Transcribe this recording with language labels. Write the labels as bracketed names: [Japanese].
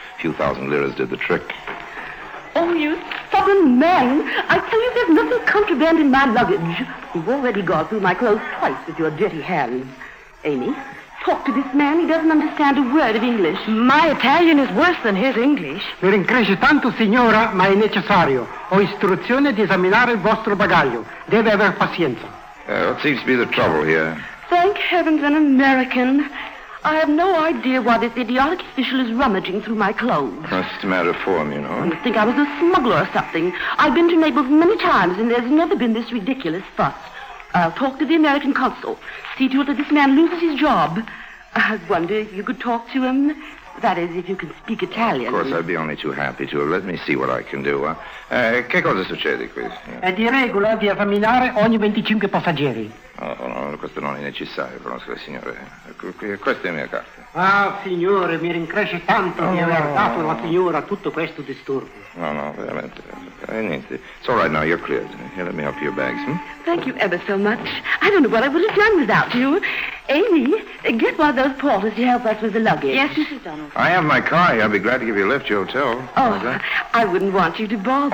[English] A few thousand liras did the trick. Oh, you stubborn man. I tell you, there's nothing contraband in my luggage. You've already gone through my clothes twice with your dirty hands. Amy, talk to this man. He doesn't understand a word of English. My Italian is worse than his English. [Italian] Mi ringrazio tanto, signora, ma è necessario. Ho istruzione di esaminare il vostro bagaglio. Deve aver pazienza. [English] What seems to be the trouble here? Thank heavens, an American. I have no idea why this idiotic official is rummaging through my clothes. That's just a matter of form, you know. You'd think I was a smuggler or something. I've been to Naples many times, and there's never been this ridiculous fuss. I'll talk to the American consul. See to it that this man loses his job. I wonder if you could talk to him. That is, if you can speak Italian. Of course, I'd be only too happy to. Let me see what I can do. [Italian] Che cosa succede qui? È di regola di esaminare ogni 25 passeggeri. No, questo non è necessario, conosco la signora. Questa è la mia carta. Ah, signore, mi rincresce tanto di aver dato alla signora tutto questo disturbo. No, veramente. Niente. [English] It's all right now, you're cleared. Here, let me help your bags. Thank you ever so much. I don't know what I would have done without you. Amy, get one of those porters to help us with the luggage. Yes, Mrs. Donald. I have my car here. I'd be glad to give you a lift to your hotel. Oh, I wouldn't want you to bother.